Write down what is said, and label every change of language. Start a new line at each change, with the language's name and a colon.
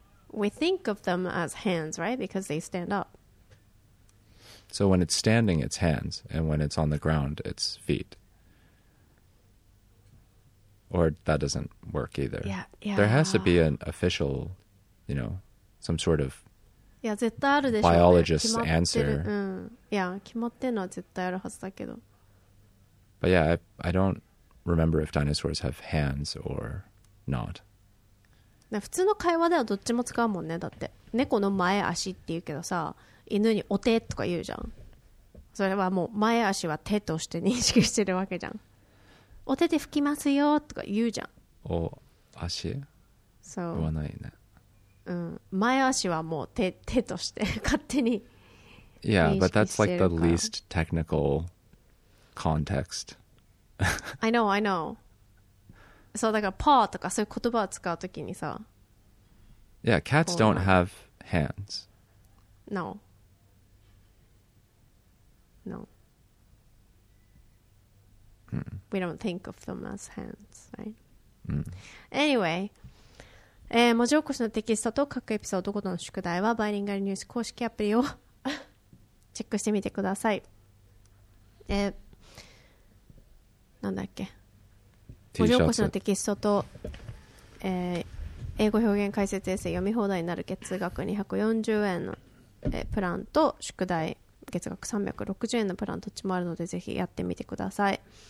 English: We think of them as hands, right? Because they stand up. So when it's standing, it's hands. And when it's on the ground, it's feet. Or that doesn't work either. Yeah, yeah. There has to be an official, you know, some sort of yeah, biologist's answer.
Japanese: Yeah, 決まってるのは絶対あるはずだけど。
English: But yeah, I don't remember if dinosaurs have hands or not.
Japanese: 普通の会話ではどっちも使うもんね。だって猫の前足って言うけどさ、犬にお手とか言うじゃん。それはもう前足は手として認識してるわけじゃん。お手で拭きますよとか言うじゃん。お足そう言わないね。うん、前足はもう 手として勝手に。
English: Yeah, but that's like the least technical context. I know, I know.
Japanese: そうだからパーとかそういう言葉を使うときにさ。
English: Yeah, cats don't have hands. No. No. We don't think of them as hands, right?、 Mm.
Japanese: Anyway,、文字起こしのテキストと各エピソードごとの宿題はバイリンガルニュース公式アプリをチェックしてみてください。なんだっけ、文字起こしのテキストと、英語表現解説エッセイ読み放題になる月額240円の、プランと宿題月額360円のプランどっちもあるのでぜひやってみてください。